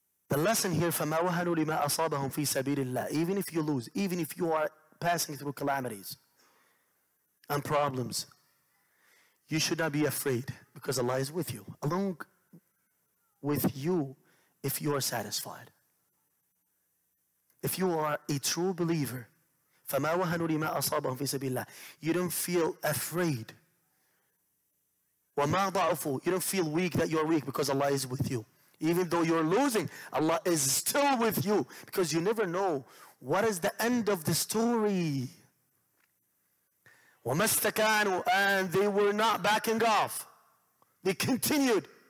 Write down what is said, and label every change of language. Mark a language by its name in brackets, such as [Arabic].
[English] The lesson here, [Arabic] فَمَا وَهَنُوا لِمَا أَصَابَهُمْ فِي سَبِيلِ اللَّهِ. [English] Even if you lose, even if you are passing through calamities and problems, you should not be afraid, because Allah is with you. Along with you, if you are satisfied. If you are a true believer, [Arabic] فَمَا وَهَنُوا لِمَا أَصَابَهُمْ فِي سَبِيلِ اللَّهِ. [English] You don't feel afraid. [Arabic] وَمَا ضَعُفُوا. [English] You don't feel weak that you are weak, because Allah is with you. Even though you're losing, Allah is still with you, because you never know what is the end of the story. [Arabic] وَمَا اسْتَكَانُوا. [English] And they were not backing off. They continued.